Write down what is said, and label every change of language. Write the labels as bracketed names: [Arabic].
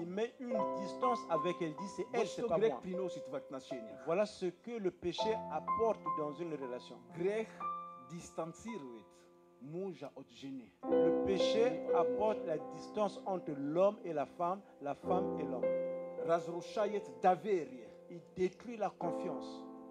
[French] Il met une distance avec elle, dit c'est elle, c'est pas moi. [Russian] Грех приносит в отношения. [French] Voilà ce que le péché apporte dans une relation. [Russian] Грех дистанцирует мужа от жены. [French] Le péché apporte la distance entre l'homme et la femme et l'homme. [Russian] Разрушает доверие. [French] Il détruit la confiance.